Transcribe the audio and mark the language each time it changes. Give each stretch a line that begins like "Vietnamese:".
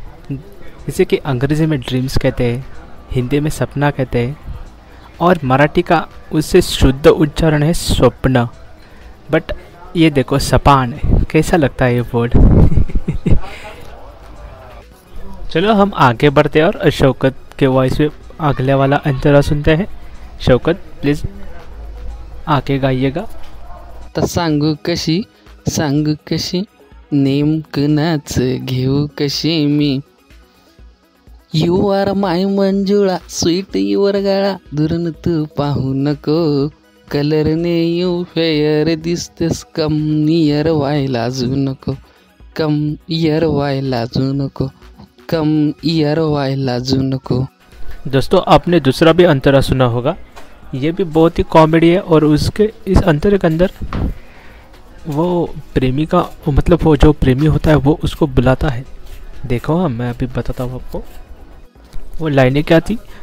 Hindi: जैसे कि अंग्रेजी में ड्रीम्स कहते हैं, हिंदी में सपना कहते हैं, और मराठी का उससे शुद्ध उच्चारण है स्वप्न। बट ये देखो सपान है, कैसा लगता है ये वर्ड। चलो हम आगे बढ़ते हैं और शौकत के वॉइस में अगले वाला अंतरा सुनते हैं। शौकत प्लीज आगे गाइएगा।
Marathi: तो सांगू कशी नेमकनाच घेऊ कशी मी,
English: you are my
Marathi: Manjula sweet your गाळा, दुरन तू पाहू नको कलर ने यू फेअर दिसतेस,
English: कम इयर
Marathi: व्हायला जू नको, कम इयर व्हायला जू नको, कम इयर व्हायला जू नको।
Hindi: दोस्तों आपने दूसरा भी अंतरा सुना होगा, ये भी बहुत ही कॉमेडी है। और उसके इस अंतरे के अंदर वो प्रेमिका, मतलब वो जो प्रेमी होता है वो उसको बुलाता है। देखो हाँ मैं अभी बताता हूँ आपको, वो लाइनें क्या थी।